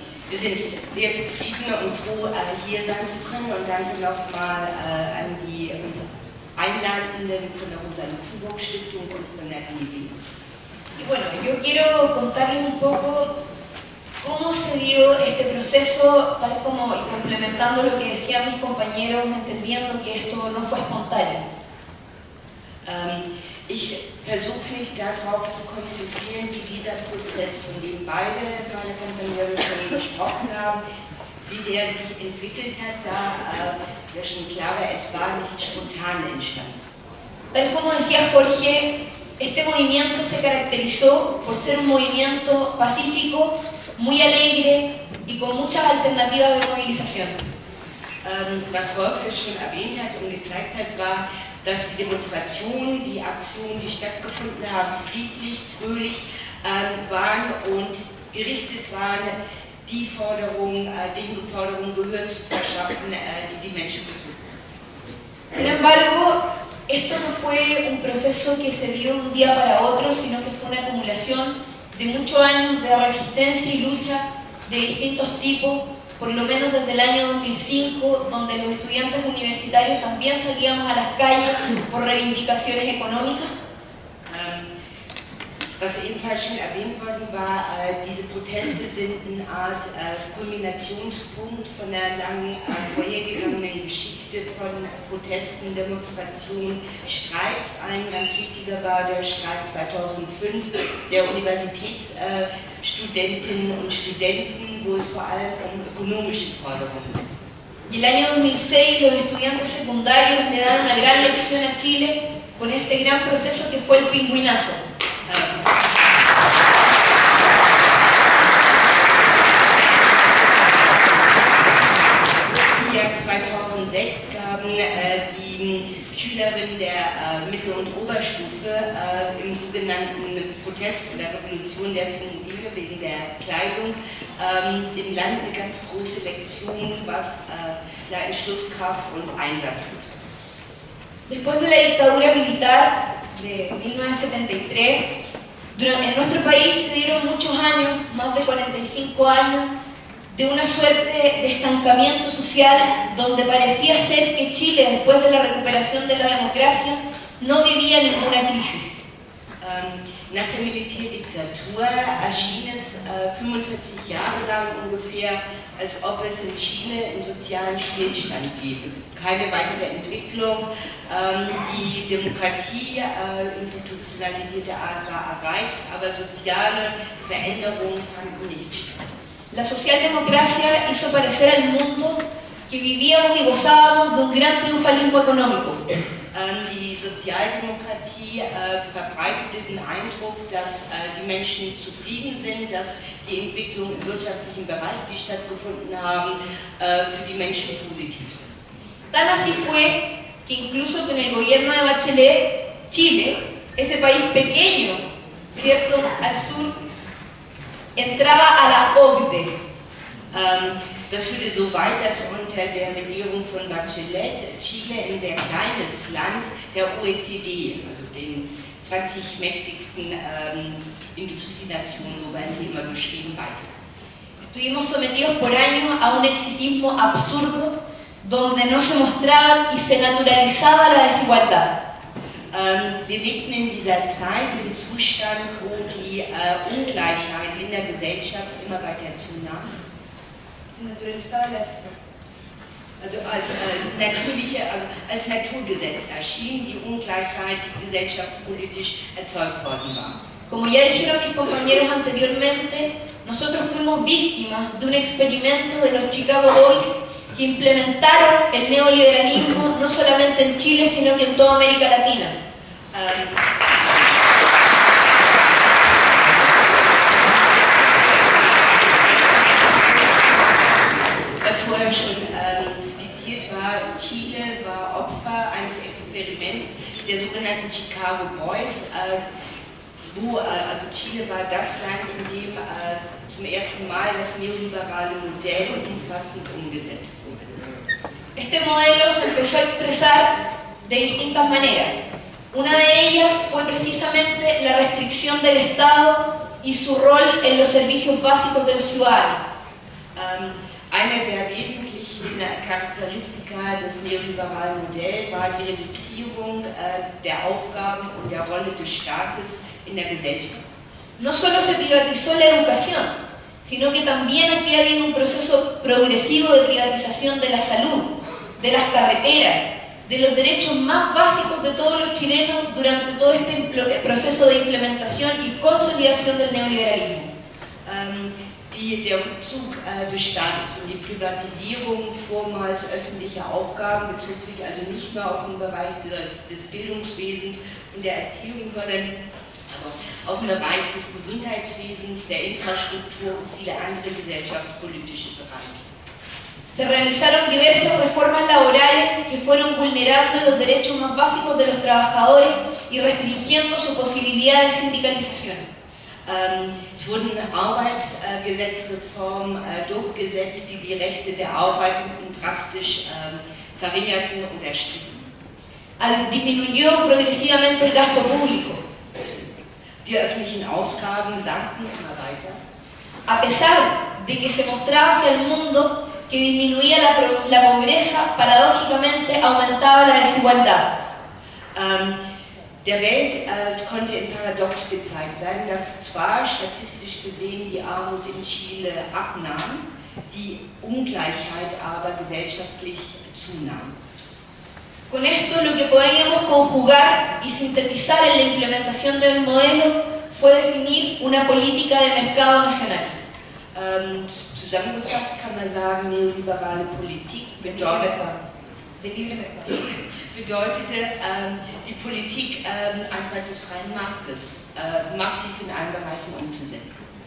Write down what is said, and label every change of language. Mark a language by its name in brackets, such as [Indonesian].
[German] Wir sind sehr zufrieden und froh, hier sein zu können und danke nochmal an die Einladenden von der Rosa Luxemburg Stiftung und von der NEB. [Spanish] Y bueno, yo quiero contarles un poco cómo se dio este proceso, tal como y complementando lo que decían mis compañeros, entendiendo que esto no fue espontáneo. [German] Ich versuche mich darauf zu konzentrieren, wie dieser Prozess, von dem beide meine Kompaniere schon gesprochen haben, wie der sich entwickelt hat, da ja schon klar war, es war nicht spontan entstanden. [Spanish] Tal como decía Jorge, este movimiento se caracterizó por ser un movimiento pacífico, muy alegre y con muchas alternativas de movilización. [German] Was Jorge schon erwähnt hat und gezeigt hat, war, dass die Demonstrationen, die Aktionen, die stattgefunden haben, friedlich, fröhlich waren und gerichtet waren, die Forderungen, den Forderungen Gehör zu verschaffen, die die Menschen betrifft. [Spanish] Sin embargo, esto no fue un proceso que se dio un día para otro, sino que fue una acumulación de muchos años de resistencia y lucha de distintos tipos. Por lo menos desde el año 2005, donde los estudiantes universitarios también salíamos a las calles por reivindicaciones económicas. [German] Was ebenfalls schon erwähnt worden war, diese Proteste sind eine Art Kulminationspunkt von der langen vorhergegangenen Geschichte von Protesten, Demonstrationen, Streiks. Ein ganz wichtiger war der Streik 2005 der Universitätsstudentinnen und Studenten, wo es vor allem um ökonomische Forderungen ging. [Spanish] Y el año 2006 los estudiantes secundarios le dan una gran lección a Chile con este gran proceso que fue el pingüinazo. [German] Im Jahr 2006 gaben die Schülerinnen der Mittel- und Oberstufe im sogenannten Protest oder Revolution der Pinguine wegen der Kleidung dem Land eine ganz große Lektion, was Entschlusskraft und Einsatz betrifft. [Spanish] Después de la dictadura militar de 1973, en nuestro país se dieron muchos años, más de 45 años, de una suerte de estancamiento social donde parecía ser que Chile, después de la recuperación de la democracia, no vivía ninguna crisis. [German] Nach der Militärdiktatur erschien es 45 Jahre lang ungefähr, als ob es in Chile einen sozialen Stillstand gäbe. Keine weitere Entwicklung, die Demokratie institutionalisierte Art war erreicht, aber soziale Veränderungen fanden nicht statt. [Spanish] La socialdemocracia hizo parecer al mundo que vivíamos y gozábamos de un gran triunfalismo económico. [German] Die Sozialdemokratie verbreitete den Eindruck, dass die Menschen zufrieden sind, dass die Entwicklung im wirtschaftlichen Bereich, die stattgefunden haben, für die Menschen positiv sind. [Spanish] Tan así fue que incluso con el gobierno de Bachelet, Chile, ese país pequeño, cierto, al sur, entraba a la OCDE. [German] Das führte so weit, dass unter der Regierung von Bachelet Chile ein sehr kleines Land der OECD, also den 20 mächtigsten Industrienationen, so werden sie immer beschrieben, weiter. [Spanish] Estuvimos sometidos por años a un exitismo absurdo, donde no se mostraba y se naturalizaba la desigualdad. [German] Wir lebten in dieser Zeit im Zustand, wo die Ungleichheit in der Gesellschaft immer weiter zunahm. Also als natürliche, also als Naturgesetz erschien die Ungleichheit, die gesellschaftspolitisch erzeugt worden war. [Spanish] Como ya dijeron mis compañeros anteriormente, nosotros fuimos víctimas de un experimento de los Chicago Boys que implementaron el neoliberalismo no solamente en Chile sino que en toda América Latina. [German] Was vorher schon skizziert war, Chile war Opfer eines Experiments der sogenannten Chicago Boys. Also Chile war das Land, in dem zum ersten Mal das neoliberale Modell umfassend umgesetzt wurde. [Spanish] Este modelo se empezó a expresar de distintas maneras. Una de ellas fue precisamente la restricción del Estado y su rol en los servicios básicos del ciudadano. [German] Eine der wesentlichen Charakteristika des neoliberalen Modells war die Reduzierung der Aufgaben und der Rolle des Staates in der Gesellschaft. [Spanish] No solo se privatizó la educación, sino que también aquí ha habido un proceso progresivo de privatización de la salud, de las carreteras, de los derechos más básicos de todos los chilenos durante todo este proceso de implementación y consolidación del neoliberalismo. [German] Der Rückzug des Staates und die Privatisierung vormals öffentlicher Aufgaben bezog sich also nicht nur auf den Bereich des Bildungswesens und der Erziehung, sondern auf den Bereich des Gesundheitswesens, der Infrastruktur und viele andere gesellschaftspolitische Bereiche. [Spanish] Se realizaron diversas reformas laborales que fueron vulnerando los derechos más básicos de los trabajadores y restringiendo su posibilidad de sindicalización. [German] Es wurden Arbeitsgesetzreformen durchgesetzt, die Rechte der Arbeitenden drastisch verringerten und erstritten. [Spanish] Disminuyó progresivamente el gasto público. [German] Die öffentlichen Ausgaben sanken immer weiter. [Spanish] A pesar de que se mostraba hacia el mundo que disminuía la pobreza, paradójicamente aumentaba la desigualdad. [German] Der Welt konnte im Paradox gezeigt werden, dass zwar statistisch gesehen die Armut in Chile abnahm, die Ungleichheit aber gesellschaftlich zunahm. [Spanish] Con esto lo que podíamos conjugar y sintetizar en la implementación del modelo fue definir una política de mercado nacional. [German] Zusammengefasst kann man sagen, neoliberale Politik bedeutete die Politik einfach des freien Marktes massiv in allen Bereichen umzusetzen.